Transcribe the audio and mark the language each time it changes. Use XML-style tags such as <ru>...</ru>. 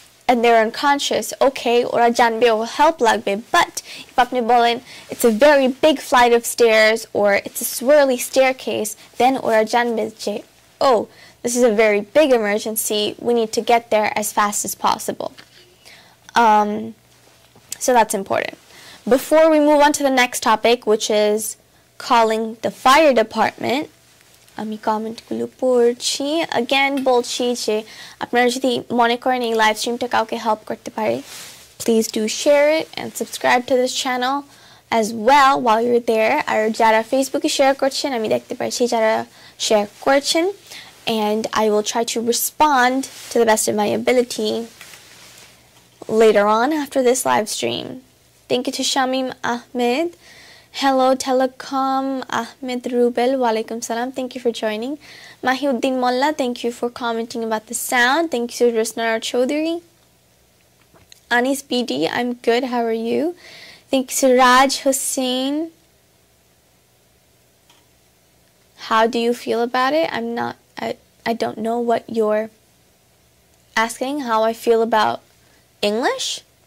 <en>and they're unconscious, okay,</en> <bn>ora janbe or help lagbe,</bn> <en>but if</en> <bn>apni bolen</bn> <en>it's a very big flight of stairs or it's a swirly staircase, then</en> <bn>ora janbe je,</bn> <en>oh, this is a very big emergency, we need to get there as fast as possible. So that's important. Before we move on to the next topic, which is calling the fire department,</en> <bn>আমি comment গুলো পড়ছি again বলছি যে আপনারা যদি মনে করেন এই লাইভ স্ট্রিমটা কাউকে হেল্প করতে পারে</bn> <en>please do share it and subscribe to this channel as well while you are there</en> <bn>আর যারা ফেসবুকে শেয়ার করছেন</bn> <en>আমি দেখতে পাচ্ছি যারা শেয়ার করছেন and I will try to respond to the best of my ability later on after this live stream thank you to Shamim Ahmed Hello Telecom, Ahmed Rubel, Walaikum Salam, thank you for joining. Mahiuddin Molla, thank you for commenting about the sound. Thank you to Rusnara Chaudhary. Anis BD, I'm good, how are you? Thank you to Raj Hussain. How do you feel about it? I don't know what you're asking, how I feel about English?</en>